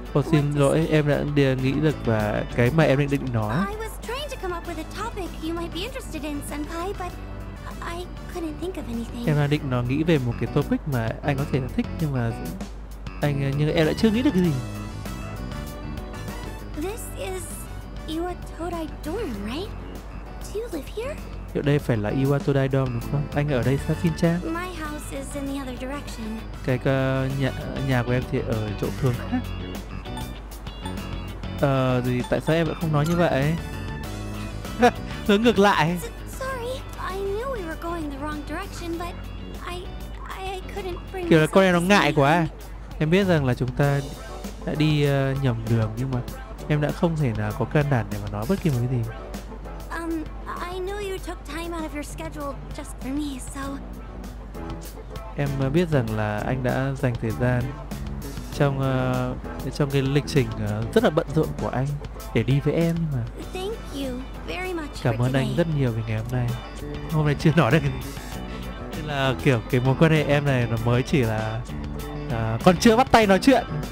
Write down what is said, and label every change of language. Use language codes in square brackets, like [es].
[vi] Xin lỗi, em đã nghĩ được và cái mà em định nói. [en] I was trying to come up with a topic you might be interested in, senpai, but I couldn't think of anything. [vi] Em đã định nói nghĩ về một cái topic mà anh có thể là thích, nhưng mà nhưng em lại chưa nghĩ được cái gì. [en] This is Iwatodai Dorm, right? Do you live here? [vi] Ở đây phải là Iwatodai Dorm đúng không? Anh ở đây sao xin cha? [en] My house is in the other direction. [vi] Cái nhà của em thì ở chỗ thường khác. Thì tại sao em lại không nói như vậy? Hướng ngược lại. [en] Sorry, I knew we were going the wrong direction, but I couldn't bring. [vi] Kiểu là con em nó ngại quá. Em biết rằng là chúng ta đã đi nhầm đường, nhưng mà em đã không thể nào có can đảm để mà nói bất kỳ một cái gì. [en] I knew you took time out of your schedule just for me, so. [vi] Em biết rằng là anh đã dành thời gian trong trong cái lịch trình rất là bận rộn của anh để đi với em, nhưng mà [en] thank you very much. [vi] Cảm ơn anh rất nhiều vì ngày hôm nay. Hôm nay chưa nói được cái gì. Nên là kiểu cái mối quan hệ em này nó mới chỉ là còn chưa bắt tay nói chuyện.